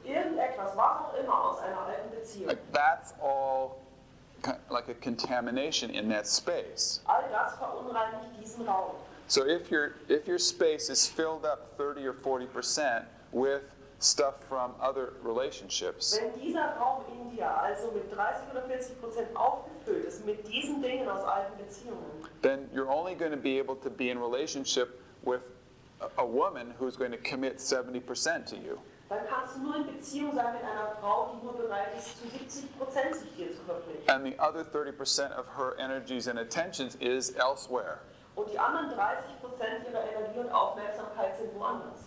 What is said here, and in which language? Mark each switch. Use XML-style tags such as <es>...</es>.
<de>Irgendetwas, was auch immer aus einer alten Beziehung.</de> <en>Like, that's all like a contamination in that space.</en> <de>All das verunreinigt diesen Raum.</de> <en>So if your space is filled up 30 or 40% with stuff from other relationships.</en> <de>Wenn dieser Raum in dir also mit 30 oder 40% aufgefüllt ist mit diesen Dingen aus alten Beziehungen,</de> <en>then you're only going to be able to be in relationship with a woman who's going to commit 70% to you.</en> <de>Dann kannst du nur in Beziehung sein mit einer Frau, die nur bereit ist, zu 70% sich dir zu verpflichten.</de> <en>And the other 30% of her energies and attentions is elsewhere.</en> <de>Und die anderen 30% ihrer Energie und Aufmerksamkeit sind woanders.</de>